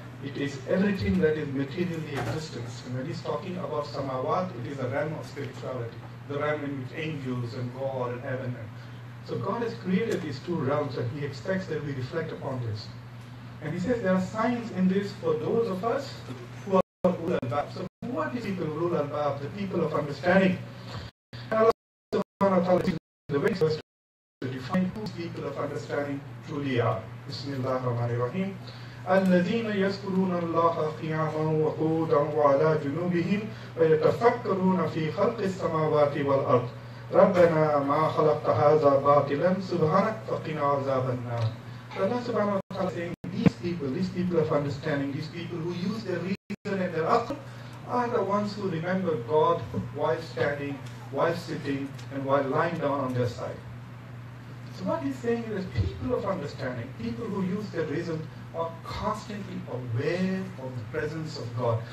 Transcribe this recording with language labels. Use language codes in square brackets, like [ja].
[en] It is everything that is materially existence. And when he's talking about samawat, it is a realm of spirituality, the realm in which angels and God and heaven and. So God has created these two realms, and He expects that we reflect upon this. And he says there are signs in this for those of us who are Ulul Albab. So what is it, Ulul Albab, the people of understanding? The way first to define who people of understanding truly are. [ar] Bismillah ar-Rahman ar-Rahim. الذين يذكرون الله قياما وقودا وعلى جنوبهم ويتفكرون في خلق السماوات والأرض ربنا ما خلقت هذا باطلا سبحانك فقنا عذاب النار. [en] Allah subhanahu wa ta'ala saying these people of understanding, these people who use their reason and their aql are the ones who remember God while standing, while sitting and while lying down on their side. So what he's saying is people of understanding, people who use their reason are constantly aware of the presence of God.